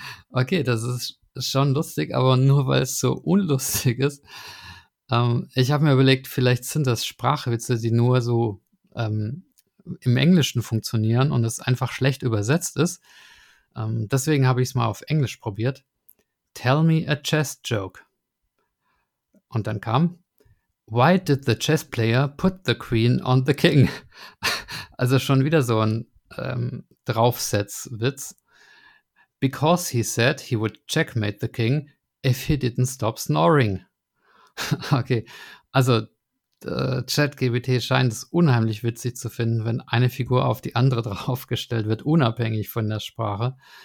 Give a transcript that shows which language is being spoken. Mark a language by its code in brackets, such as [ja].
[de] Okay, das ist schon lustig, aber nur weil es so unlustig ist. Ich habe mir überlegt, vielleicht sind das Sprachwitze, die nur so im Englischen funktionieren und es einfach schlecht übersetzt ist. Deswegen habe ich es mal auf Englisch probiert. [en] Tell me a chess joke. [de] Und dann kam, [en] why did the chess player put the queen on the king? [de] Also schon wieder so ein Draufsetzwitz. [en] Because he said he would checkmate the king if he didn't stop snoring. [de] Okay, also ChatGPT scheint es unheimlich witzig zu finden, wenn eine Figur auf die andere draufgestellt wird, unabhängig von der Sprache.